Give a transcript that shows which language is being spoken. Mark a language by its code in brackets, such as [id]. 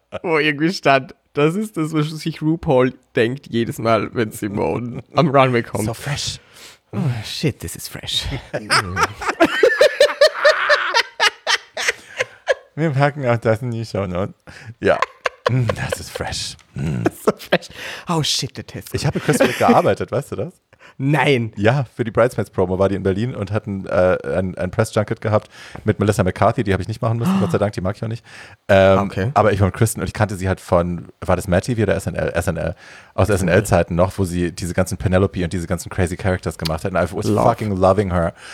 [de] Wo irgendwie stand, das ist das, was sich RuPaul denkt jedes Mal, wenn Simone am Runway kommt. [en] So fresh. Oh, shit, this is fresh. [de] Wir packen auch das in die Show Notes. Ja. Das ist fresh. [en] So fresh. Oh, shit, the test. [de] Ich habe mit Kristen Wiig gearbeitet, weißt du das? Nein. Ja, für die Bridesmaids-Promo war die in Berlin und hatten ein Press-Junket gehabt mit Melissa McCarthy. Die habe ich nicht machen müssen, Gott sei Dank, die mag ich auch nicht. Okay. Aber ich war mit Kristen und ich kannte sie halt von, war das Matt TV oder SNL? SNL. Aus SNL-Zeiten noch, wo sie diese ganzen Penelope und diese ganzen crazy Characters gemacht hat. [en] And I was fucking loving her.